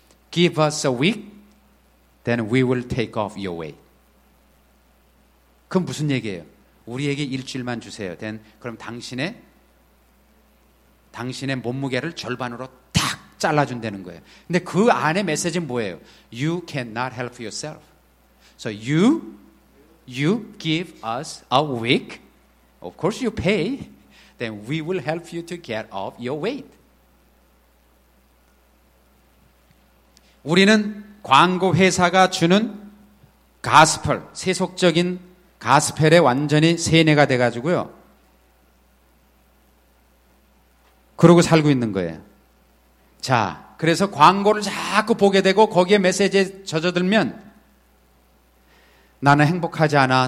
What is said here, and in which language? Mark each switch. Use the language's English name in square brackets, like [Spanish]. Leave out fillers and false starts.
[English] Give us a week, then we will take off your weight. [Korean] 그건 무슨 얘기예요? 우리에게 일주일만 주세요. Then, 그럼 당신의 몸무게를 절반으로 탁 잘라준다는 거예요. 근데 그 안에 메시지는 뭐예요? [English] You cannot help yourself. So you give us a week. Of course you pay. Then we will help you to get off your weight. [Korean] 우리는 광고 회사가 주는 가스펠, 세속적인 가스펠에 완전히 세뇌가 돼가지고요. 그러고 살고 있는 거예요. 자, 그래서 광고를 자꾸 보게 되고 거기에 메시지에 젖어들면 나는 행복하지 않아.